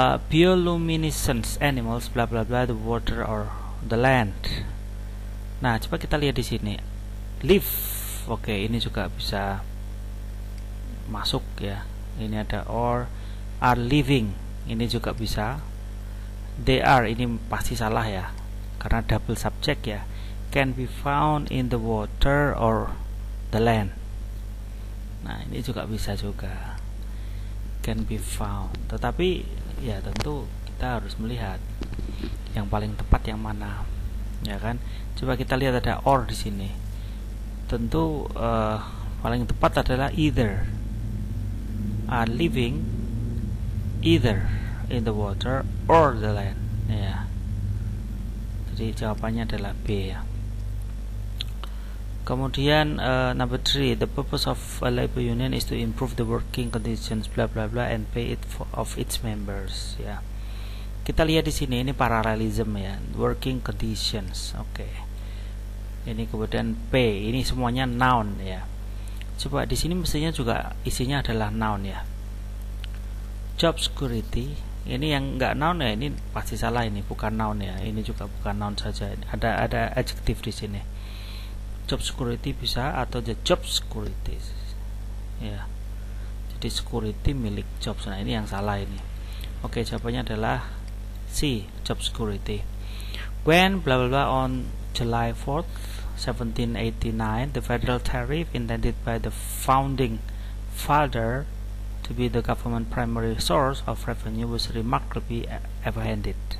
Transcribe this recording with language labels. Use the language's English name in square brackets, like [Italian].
[English] Bioluminescence animals bla bla bla the water or the land. [Indonesian] Nah, coba kita lihat di sini. Live. Oke, ini juga bisa masuk ya. Ini ada or are living. Ini juga bisa. [English] They are, [Indonesian] ini pasti salah ya. Karena double subject ya. [English] Can be found in the water or the land. [Indonesian] Nah, ini juga bisa juga. [English] Can be found. [Indonesian] Tetapi ya tentu kita harus melihat yang paling tepat yang mana. Ya kan? Coba kita lihat ada or di sini. Tentu paling tepat adalah either. [English] Are living either in the water or the land. [Indonesian] Ya. Jadi jawabannya adalah B ya. Kemudian [English] number 3, the purpose of a labor union is to improve the working conditions bla bla bla and pay it for, of its members ya. [Indonesian] Yeah. Kita lihat di sini ini parallelism ya, working conditions. Oke. Okay. Ini kemudian pay, ini semuanya noun ya. Coba di sini mestinya juga isinya adalah noun ya. Job security, ini yang enggak noun ya, ini pasti salah ini, bukan noun ya. Ini juga bukan noun saja. Ada adjective di sini. Job security bisa atau the job security ya, jadi security milik jobs. Nah, ini yang salah ini. Oke, jawabannya adalah C, job security. [English] When bla bla bla on July 4th 1789 the federal tariff intended by the founding father to be the government primary source of revenue was remarkably apprehended.